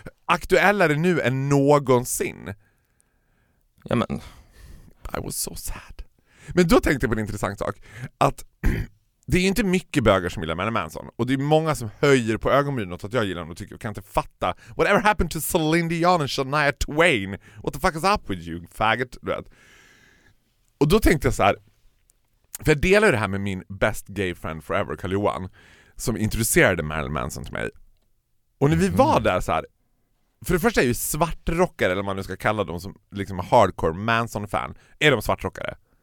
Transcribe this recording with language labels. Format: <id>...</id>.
<sv>Aktuellare nu än någonsin. Jamen.</sv> <en>I was so sad.</en> <sv>Men då tänkte jag på en intressant sak. Att det är ju inte mycket bögar som gillar Marilyn Manson. Och det är många som höjer på ögonbrynen åt att jag gillar honom och tycker jag kan inte fatta.</sv> <en>Whatever happened to Celine Dion and Shania Twain? What the fuck is up with you, faggot?</en> <sv>Du vet. Och då tänkte jag så här, för jag delar det här med min</sv> <en>best gay friend forever,</en> <sv>Karl-Johan, som introducerade Marilyn Manson till mig. Och när vi var där så här, för det första är ju svartrockare, eller man nu ska kalla dem som liksom hardcore Manson-fan, är de svartrockare?</sv>